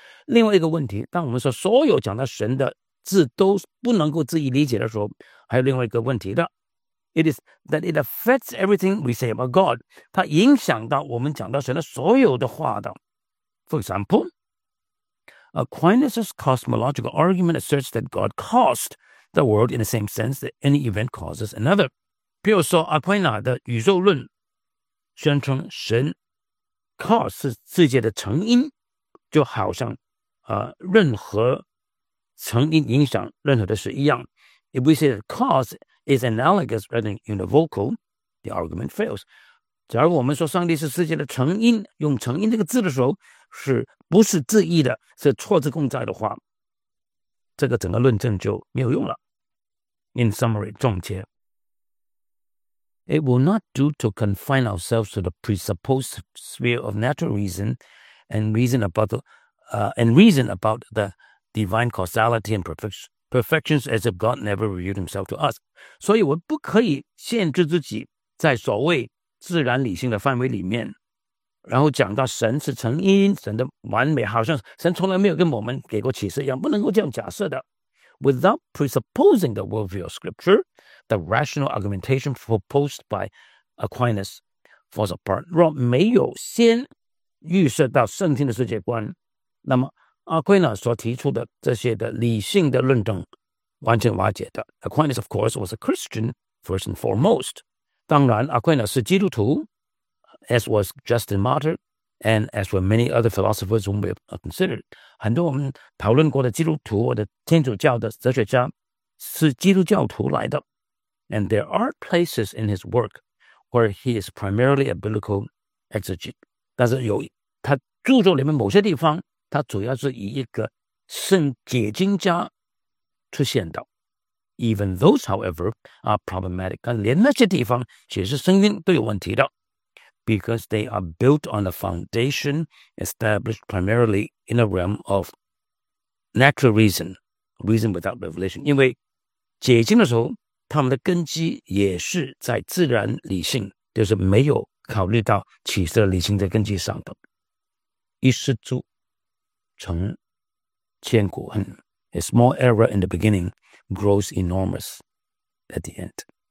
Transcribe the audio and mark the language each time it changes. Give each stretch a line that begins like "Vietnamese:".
Chinese: 另外一个问题，当我们说所有讲到神的字都不能够自己理解的时候，还有另外一个问题的。
English: It is that it affects everything we say about God.
Chinese: 它影响到我们讲到神的所有的话的。
English: For example, Aquinas' cosmological argument asserts that God caused the world in the same sense that any event causes another.
Chinese: 比如说阿奎那的宇宙论宣称神 cause 是世界的成因，就好像任何成因影响任何的事一样。
English: If we say that cause is analogous rather than univocal, the argument fails.
Chinese: 假如我们说上帝是世界的成因，用成因这个字的时候是不是自意的，是错字共在的话，这个整个论证就没有用了。
English: In summary,
Chinese: 总结，
English: It will not do to confine ourselves to the presupposed sphere of natural reason and reason about the divine causality and perfections as if God never revealed himself to us.
Chinese: 所以我不可以限制自己在所谓自然理性的范围里面，然后讲到神是成因，神的完美，好像神从来没有跟我们给过启示一样，不能够这样假设的。
English: Without presupposing the worldview of scripture, the rational argumentation proposed by Aquinas falls apart.
Chinese: 若没有先预设到圣经的世界观，那么阿奎那所提出的这些的理性的论证完全瓦解的。
English: Aquinas, of course, was a Christian first and foremost.
Chinese: 当然阿奎那是基督徒，
English: as was Justin Martyr, and as were many other philosophers whom we have considered.
Chinese: 很多我们讨论过的基督徒或者天主教的哲学家是基督教徒来的。
English: And there are places in his work where he is primarily a biblical exegete.
Chinese: 但是有他著作里面某些地方他主要是以一个圣解经家出现的。
English: Even those, however, are problematic.
Chinese: 但连那些地方其实圣经都有问题的。
English: Because they are built on a foundation established primarily in a realm of natural reason, reason without revelation.
Chinese: 因为解经的时候他们的根基也是在自然理性，就是没有考虑到启示理性的根基上的。一失足成千古恨。
English: A small error in the beginning grows enormous at the end.